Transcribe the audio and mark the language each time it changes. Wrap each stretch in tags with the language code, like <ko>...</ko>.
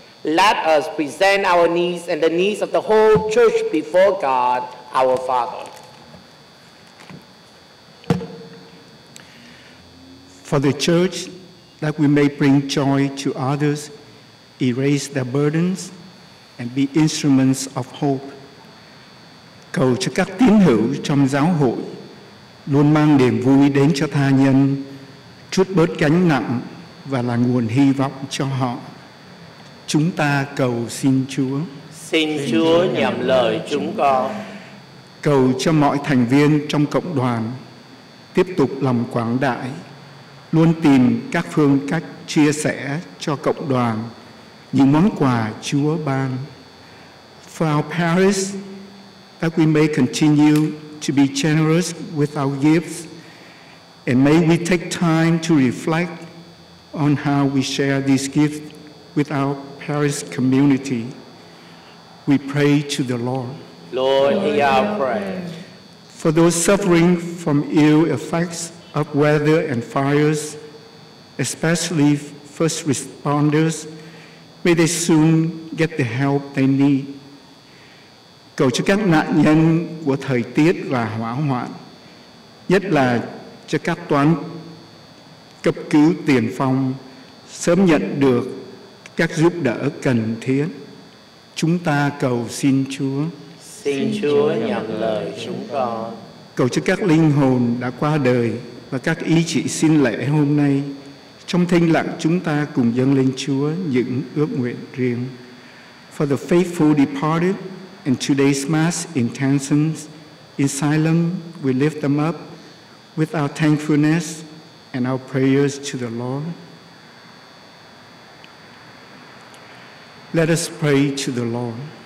<en>Let us present our needs and the needs of the whole church before God, our Father. For the church, that we may bring joy to others, erase their burdens, and be instruments of hope.</en> <vi>Cầu cho các tín hữu trong giáo hội luôn mang niềm vui đến cho tha nhân, chút bớt gánh nặng và là nguồn hy vọng cho họ. Chúng ta cầu xin Chúa. Xin Chúa nhậm lời chúng con. Cầu cho mọi thành viên trong cộng đoàn tiếp tục lòng quảng đại, luôn tìm các phương cách chia sẻ cho cộng đoàn những món quà Chúa ban.</vi> <en>For our parish, that we may continue to be generous with our gifts, and may we take time to reflect on how we share these gifts with our parish community. We pray to the Lord. Lord, hear our prayer. For those suffering from ill effects of weather and fires, especially first responders, may they soon get the help they need.</en> <vi>Cầu cho các nạn nhân của thời tiết và hỏa hoạn, nhất là cho các toán cấp cứu tiền phong sớm nhận được các giúp đỡ cần thiết. Chúng ta cầu xin Chúa. Xin Chúa nhận lời chúng con. Cầu cho các linh hồn đã qua đời và các ý chỉ xin lễ hôm nay, trong thanh lặng chúng ta cùng dâng lên Chúa những ước nguyện riêng.</vi> <en>For the faithful departed and today's Mass intentions, in silence we lift them up with our thankfulness and our prayers to the Lord. Let us pray to the Lord.</en>